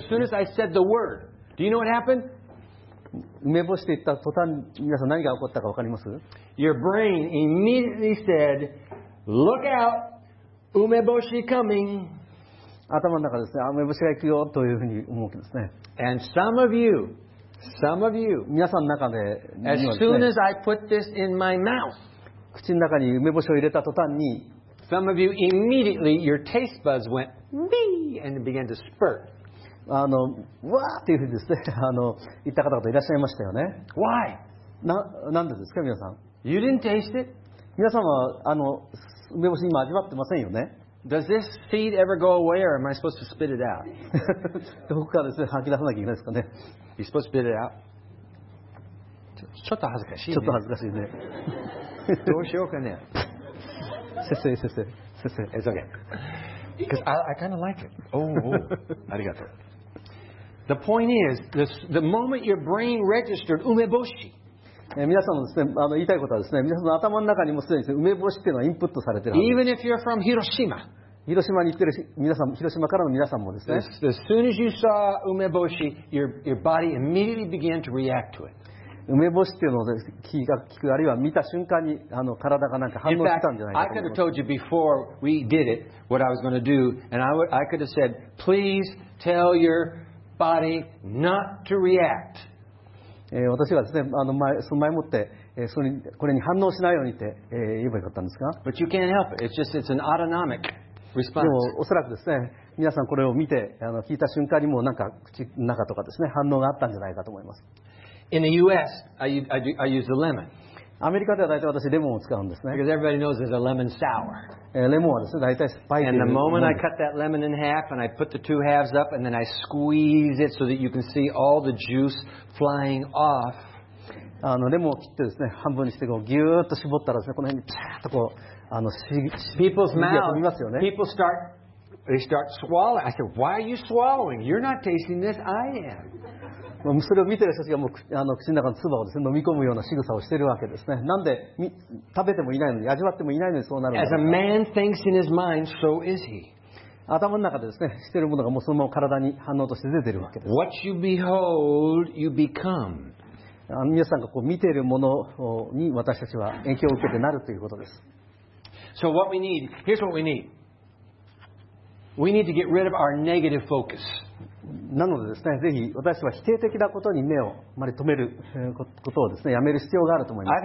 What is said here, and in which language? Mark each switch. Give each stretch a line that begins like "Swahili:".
English: But as soon as I said the word, do you know what happened?
Japanese: 梅干しって言った途端、皆さん何が起こったか分かります？
English: Your brain immediately said, "Look out, 梅干し coming."
Japanese: 頭の中ですね、梅干しが行くよというふうに思うんですね。
English: And some of you. Some of you,
Japanese: 皆さんの中で、
English: as soon as I put this in my mouth,
Japanese: 口の中に梅干しを入れた途端に、
English: some of you immediately your taste buds went wee and began to spurt.
Japanese: わーっていうふうにですね、言った方々いらっしゃいましたよね。
English: Why?
Japanese: なんでですか、皆さん。
English: You didn't taste it?
Japanese: 皆さんは梅干し今味わってませんよね。
English: Does this seed ever go away, or am I supposed to spit it out?
Japanese: どこからですね、吐き出さなきゃいけないですかね。
English: You're supposed to spit it out.
Japanese: ちょっと恥ずかしいね。ちょっと恥ずかしいね。どうしようかね。先生。
English: It's okay. Because I kind of like it. Oh.
Japanese: ありがとう。
English: The point is, the moment your brain registered 梅干し。
Japanese: 皆さんのですね、言いたいことはですね、皆さんの頭の中にもすでに梅干しっていうのはインプットされてるんです。
English: Even if you're from Hiroshima.
Japanese: 広島に行ってる皆さん、広島からの皆さんもですね。
English: As soon as you saw 梅干し, your body immediately began to react to it.
Japanese: 梅干しっていうのを聞く、あるいは見た瞬間に体がなんか反応したんじゃないかと。
English: I could have told you before we did it what I was going to do, and I could have said, please tell your body not to react.
Japanese: 私はですね、その前もってそれこれに反応しないようにって言えばよかったんですが。
English: But you can't help it. It's an autonomic response.
Japanese: でもおそらくですね、皆さんこれを見て聞いた瞬間にもなんか口の中とかですね、反応があったんじゃないかと思います。
English: In the U.S., I use a lemon.
Japanese: アメリカでは大体私レモンを使うんですね。
English: Because everybody knows there's a lemon sour.
Japanese: レモンはですね、大体酸っぱい。
English: And the moment I cut that lemon in half and I put the two halves up and then I squeeze it so that you can see all the juice flying off.
Japanese: レモンを切ってですね、半分にしてこうギューッと絞ったらですね、この辺にチャーッとこう
English: People's mouth. People start. They start swallowing. I said, "Why are you swallowing? You're not tasting this. I am."
Japanese: それを見てる人たちがもう口の中の唾をですね、飲み込むような仕草をしているわけですね。なんで食べてもいないのに、味わってもいないのにそうなるのか。
English: As a man thinks in his mind, so is he.
Japanese: 頭の中でですね、しているものがもうそのまま体に反応として出ているわけです。
English: What you behold, you become.
Japanese: 皆さんがこう見ているものに私たちは影響を受けてなるということです。
English: So what we need, here's what we need. We need to get rid of our negative focus.
Japanese: なのでですね、ぜひ私は否定的なことに目をまで止めることをですね、やめる必要があると思います。